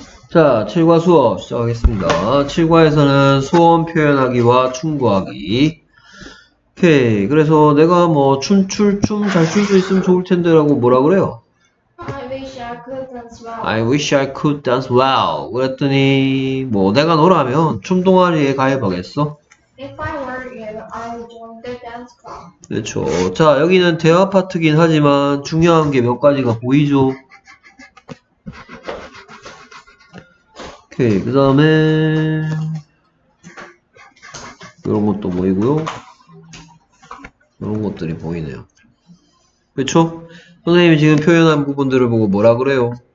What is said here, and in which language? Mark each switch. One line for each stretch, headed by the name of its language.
Korean: 자, 칠과 수업 시작하겠습니다. 칠과에서는 소원 표현하기와 충고하기. 오케이. 그래서 내가 뭐 춤출 춤잘출수 있으면 좋을 텐데라고 뭐라 그래요?
English: I wish I could dance I well. wish I could dance well.
Korean: 그랬더니 뭐 내가 너라면 춤 동아리에 가입하겠어?
English: If I were you, I would join the dance club.
Korean: 그렇죠. 자, 여기는 대화 파트긴 하지만 중요한 게몇 가지가 보이죠? 오케이, 그 다음에 이런 것도 보이고요. 이런 것들이 보이네요. 그쵸? 선생님이 지금 표현한 부분들을 보고 뭐라 그래요?